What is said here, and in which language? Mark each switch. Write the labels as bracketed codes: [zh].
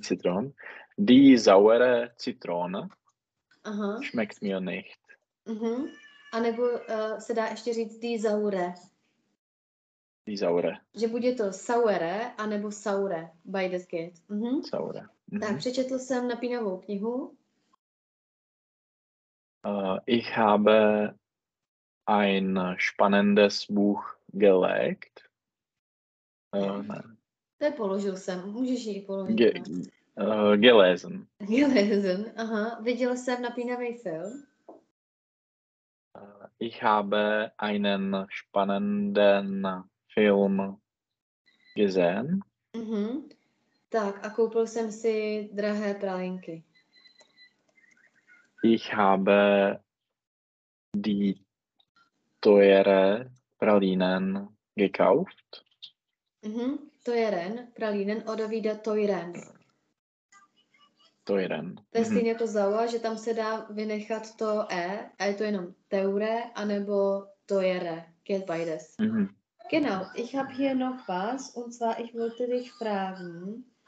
[de] Zitron. Die saure Zitrone. Aha. Schmeckt mir nicht. Mhm. [cs] A nebo se dá ještě říct [de] die saure. Die saure. [cs] Že bude to saure, anebo saure. [de] Beides geht. [cs] Mhm. [de] Saure. Mhm. [cs] Tak přečetl jsem napínavou knihu. [de] Ich habe ein spannendes Buch gelegt. [cs] To je položil jsem. Můžeš ji položit. [de] Gelesen. Gelesen, aha. [cs] Viděl jsem napínavý film. [de] Ich habe einen spannenden Film gesehen. Mhm. [cs] Tak, a koupil jsem si drahé pralinky. [de] Ich habe die teure Pralinen gekauft. Mhm. Teuren, Pralinen, oder wieder teuren. Teuren. [cs] To je stejně jako zaua, že tam se dá vynechat to e, a je to jenom teure, anebo teure. [de] Geht beides. Mhm. Genau, ich habe hier noch was, und zwar, ich wollte dich fragen.